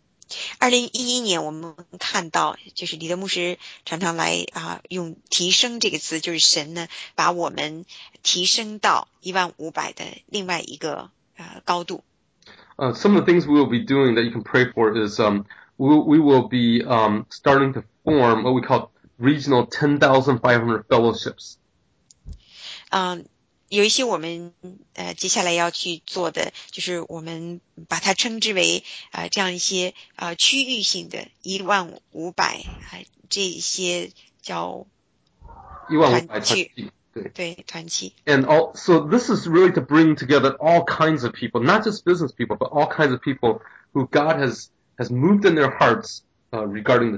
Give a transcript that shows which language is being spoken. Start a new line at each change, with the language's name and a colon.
Chinese: 2011年我们看到就是李德牧师常常来用提升这个词，就是神呢把我们提升到1500的另外一个高度。
English: Some of the things we will be doing that you can pray for is we will be starting to form what we call regional 10,500 fellowships.
Chinese: 有一些我们接下来要去做的，就是我们把它称之为这样一些区域性的1500这些叫一万五百团契，对，团契。
English: And all, so this is really to bring together all kinds of people, not just business people, but all kinds of people who God has moved in their hearts regarding the